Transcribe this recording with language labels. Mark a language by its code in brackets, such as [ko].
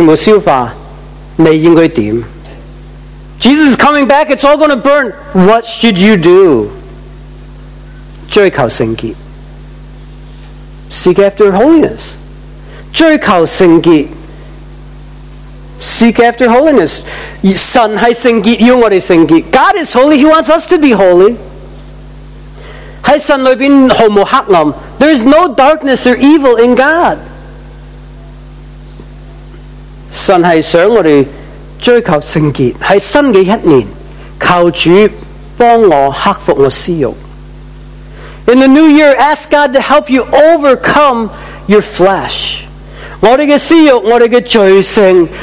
[zh] 耶稣要回来,这些全部消化,你应该怎样? [en] Jesus is coming back, it's all going to burn. What should you do? [zh] 追求圣洁. [en] Seek after holiness. [zh] 追求圣洁. [en] Seek after holiness. [zh] 神是圣洁,要我们圣洁. [en] God is holy, he wants us to be holy. [zh] 在神里面毫无黑暗, [en] there is no darkness or evil in God. [zh] 神是想我们追求圣洁, 在新的一年, 求主帮我克服我私欲。 [en] In the new year, ask God to help you overcome your flesh. [zh] 我们的私欲, 我们的罪性,